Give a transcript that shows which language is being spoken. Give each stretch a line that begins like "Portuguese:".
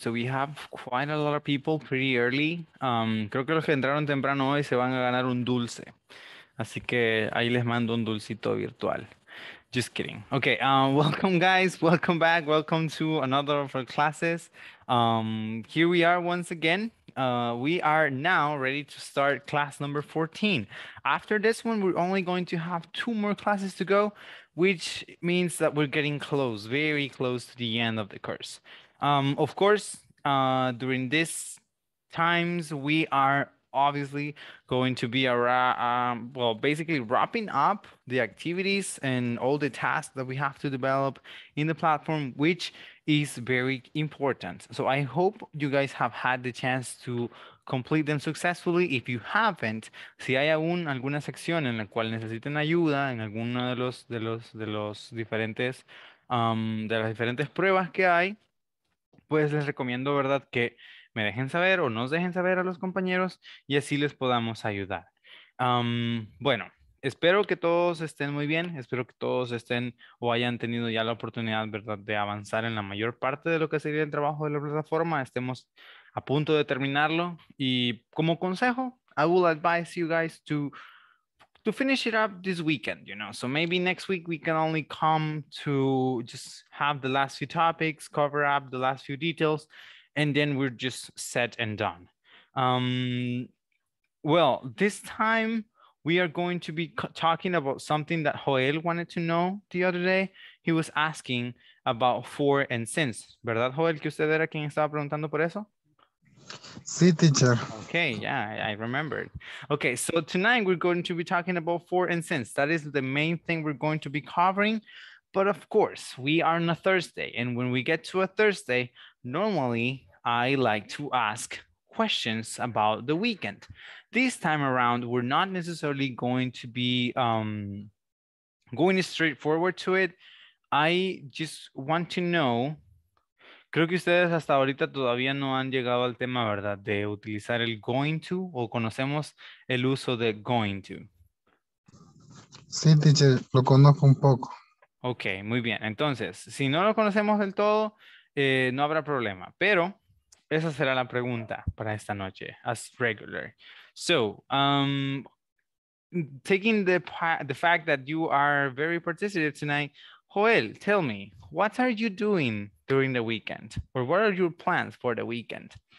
English: So we have quite a lot of people pretty early.
Spanish: Creo que los que entraron temprano hoy se van a ganar un dulce. Así que ahí les mando un dulcito virtual.
English: Just kidding. Okay, welcome guys, welcome back, welcome to another of our classes. Here we are once again. We are now ready to start class number 14. After this one, we're only going to have two more classes to go, which means that we're getting close, very close to the end of the course. Of course, during these times, we are obviously going to be around, well, basically wrapping up the activities and all the tasks that we have to develop in the platform, which is very important. So I hope you guys have had the chance to complete them successfully. If you haven't,
Spanish: si hay aún alguna sección en la cual necesiten ayuda en alguna de las diferentes pruebas que hay, pues les recomiendo, ¿verdad?, que me dejen saber o nos dejen saber a los compañeros y así les podamos ayudar. Bueno, espero que todos estén muy bien, espero que todos estén o hayan tenido ya la oportunidad, ¿verdad?, de avanzar en la mayor parte de lo que sería el trabajo de la plataforma, estemos a punto de terminarlo. Y como consejo,
English: I will advise you guys to finish it up this weekend, you know. So maybe next week we can only come to just have the last few topics, cover up the last few details, and then we're just set and done. Well, this time we are going to be talking about something that Joel wanted to know the other day. He was asking about for and since.
Spanish: ¿Verdad, Joel, que usted era quien estaba preguntando por eso? Sí, teacher.
English: Okay, yeah, I remembered. Okay, so tonight we're going to be talking about for and since. That is the main thing we're going to be covering. But of course, we are on a Thursday. And when we get to a Thursday, normally I like to ask questions about the weekend. This time around, we're not necessarily going to be going straightforward to it. I just want to know.
Spanish: Creo que ustedes hasta ahorita todavía no han llegado al tema, ¿verdad? De utilizar el going to o conocemos el uso de going to. Sí, teacher, lo conozco un poco. Ok, muy bien. Entonces, si no lo conocemos del todo, no habrá problema. Pero esa será la pregunta para esta noche,
English: as regular. So, taking the fact that you are very participative tonight, Joel, tell me, what are you doing during the weekend, or what are your plans for the weekend?